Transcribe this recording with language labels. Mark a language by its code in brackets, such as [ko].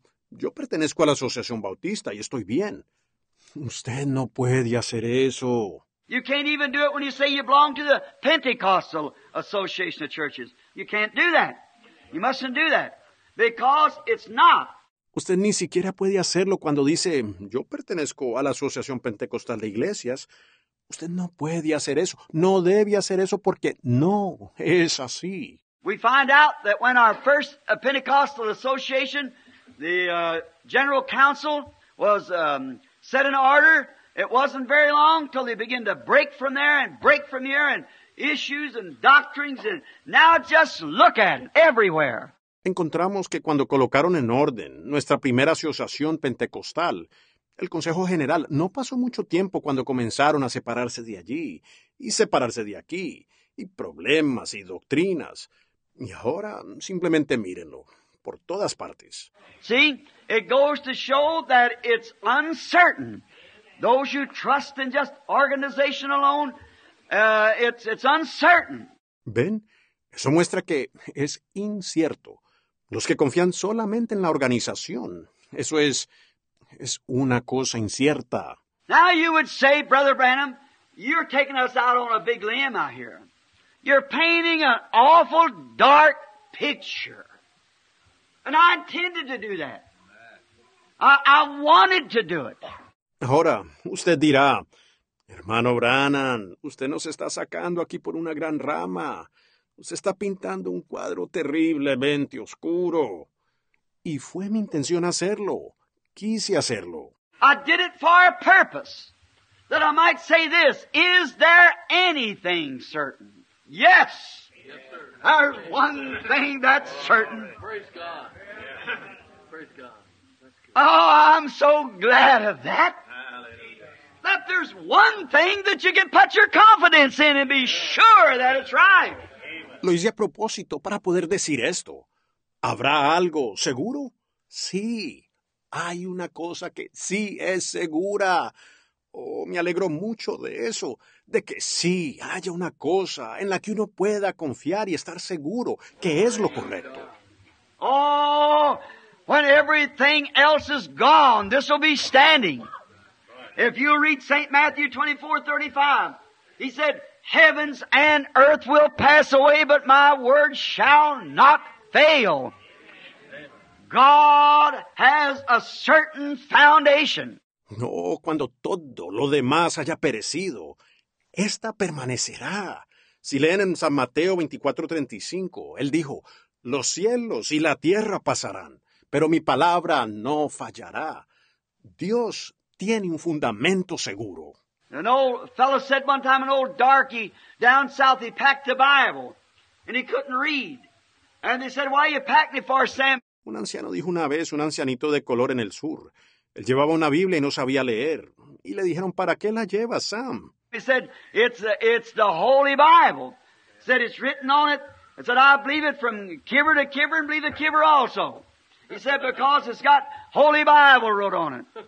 [es] Yo pertenezco a la Asociación Bautista y estoy bien. Usted no puede hacer eso. [en] You can't even do it when you say you belong to the Pentecostal Association of Churches. You can't do that. You mustn't do that. Because it's not. [es] Usted ni siquiera puede hacerlo cuando dice, yo pertenezco a la Asociación Pentecostal de Iglesias. Usted no puede hacer eso. No debe hacer eso porque no es así. [en] We find out that when our first Pentecostal Association, the General Council was set in order. It wasn't very long till they began to break from there and break from here and issues and doctrines. And now just look at it everywhere. [es] Encontramos que cuando colocaron en orden nuestra primera asociación pentecostal, el Consejo General no pasó mucho tiempo cuando comenzaron a separarse de allí y separarse de aquí y problemas y doctrinas. Y ahora simplemente mírenlo. Por todas partes. [en] See, It goes to show that it's uncertain. Those who trust in just organization alone, it's uncertain. [es] ¿Ven? Eso muestra que es incierto. Los que confían solamente en la organización, eso es una cosa incierta. [en] Now you would say, Brother Branham, you're taking us out on a big limb out here. You're painting an awful dark picture. And I intended to do that. I wanted to do it. [es] Ahora, usted dirá, hermano Branham, usted nos está sacando aquí por una gran rama. Usted está pintando un cuadro terriblemente oscuro. Y fue mi intención hacerlo. Quise hacerlo. [en] I did it for a purpose, that I might say this, is there anything certain? Yes, yes sir. There's one thing that's certain. Praise God. Praise God. Oh, I'm so glad of that. Hallelujah. That there's one thing that you can put your confidence in and be sure that it's right. [es] Lo hice a propósito para poder decir esto. ¿Habrá algo seguro? Sí. Hay una cosa que sí es segura. Oh, me alegro mucho de eso, de que sí haya una cosa en la que uno pueda confiar y estar seguro que es lo correcto. [en] Oh, when everything else is gone, this will be standing. If you read St. Matthew 24:35, he said, heavens and earth will pass away, but my word shall not fail. God has a certain foundation. [es] No, cuando todo lo demás haya perecido, esta permanecerá. Si leen en San Mateo 24:35, él dijo, los cielos y la tierra pasarán, pero mi palabra no fallará. Dios tiene un fundamento seguro. [en] An old fellow said one time, an old darky down south, he packed the Bible, and he couldn't read. And they said, why are you packing it for, Sam? [es] Un anciano dijo una vez, un ancianito de color en el sur, él llevaba una Biblia y no sabía leer. Y le dijeron, ¿para qué la lleva, Sam? [en] He said, it's the Holy Bible. He said, it's written on it. He said, I believe it from kibber to kibber and believe the kibber also. He said, because it's got Holy Bible wrote on it.